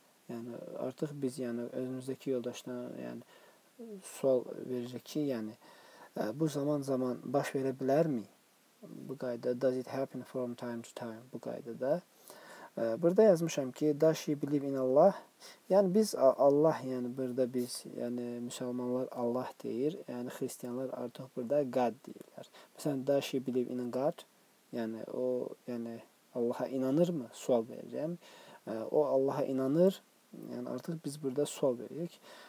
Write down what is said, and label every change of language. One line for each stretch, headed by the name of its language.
Azerbaijani: Yəni artıq biz yəni özümüzdəki yoldaşdan yəni sual verəcək ki, yəni bu zaman zaman baş verə bilərmi? Bu qayda
English: does it happen from time to time?
Azerbaijani: Bu qayda da. Burada yazmışam ki,
English: does she believe in Allah?
Azerbaijani: Yəni biz Allah, yəni burada biz, yəni müsəlmanlar Allah deyir, yəni xristianlar artıq burada God deyirlər. Məsələn,
English: does she believe in God?
Azerbaijani: Yəni o, yəni Allah'a inanır mı? Sual verirəm. O Allah'a inanır. Yəni artıq biz burada sual veririk.